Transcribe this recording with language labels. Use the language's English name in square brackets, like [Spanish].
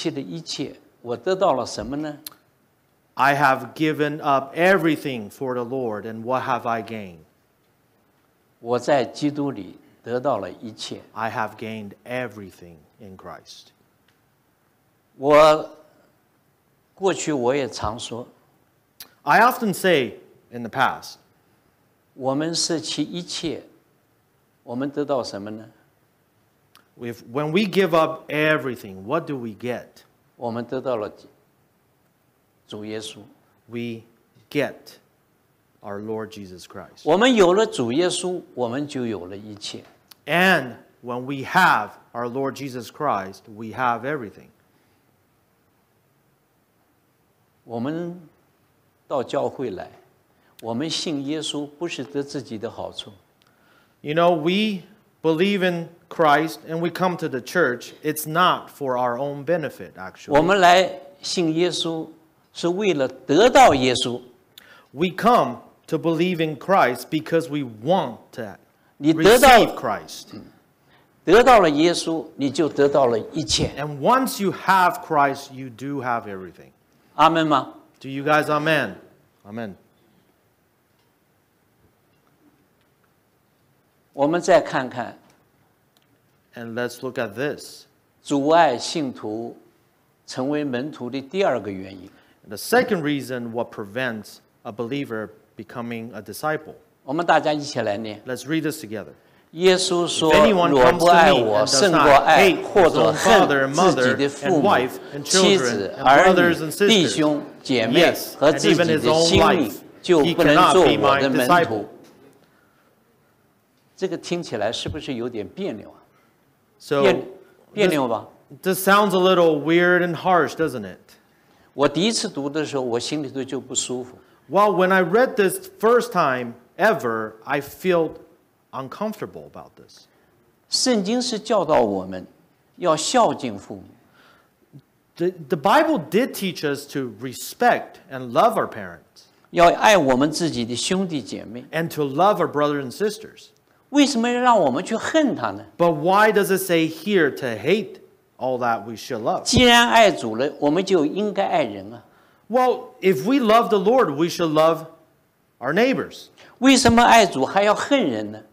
[Chinese] 他说,我为基督舍弃了一切,我得到了什么呢? [English] I have given up everything for the Lord, and what have I gained? [Chinese] 我在基督里得到了一切。 [English] I have gained everything in Christ. [Chinese] 我 过去我也常说, [English] I often say in the past, [Chinese] 我们舍弃一切, 我们得到什么呢? [English] When we give up everything, what do we get? [Chinese] 我们得到了主耶稣。 [English] We get our Lord Jesus Christ. [Chinese] 我们有了主耶稣, 我们就有了一切。 [English] And when we have our Lord Jesus Christ, we have everything. [Chinese] 我们到教会来, 我们信耶稣不是得自己的好处。 [English] You know, we believe in Christ and we come to the church. It's not for our own benefit, actually. [Chinese] 我们来信耶稣是为了得到耶稣。 [English] We come to believe in Christ because we want to receive Christ. [Chinese] 得到了耶稣, 你就得到了一切。 [English] And once you have Christ, you do have everything. [Chinese] Amen吗? [English] Do you guys amen? Amen. [Chinese] 我们再看看。 [English] And let's look at this. [Chinese] 阻碍信徒成为门徒的第二个原因。 [English] The second reason what prevents a believer becoming a disciple. [Chinese] 我们大家一起来念。 [English] Let's read this together. [Chinese] 耶稣说，若不爱我，胜过爱或者恨自己的父母、妻子、儿女、弟兄、姐妹和自己的心意，就不能做我的门徒。这个听起来是不是有点别扭啊？别扭吧。 [English] This sounds a little weird and harsh, doesn't it? [Chinese] 我第一次读的时候，我心里头就不舒服。 [English] Well, when I read this first time ever, I felt uncomfortable about this. [Chinese] 圣经是教导我们要孝敬父母。 [English] The Bible did teach us to respect and love our parents. [Chinese] 要爱我们自己的兄弟姐妹。 [English] And to love our brothers and sisters. [Chinese] 为什么让我们去恨他呢？ [English] But why does it say here to hate all that we should love? [Chinese] 既然爱主了，我们就应该爱人啊。 [English] Well, if we love the Lord, we should love our neighbors. [Chinese] 为什么爱主还要恨人呢？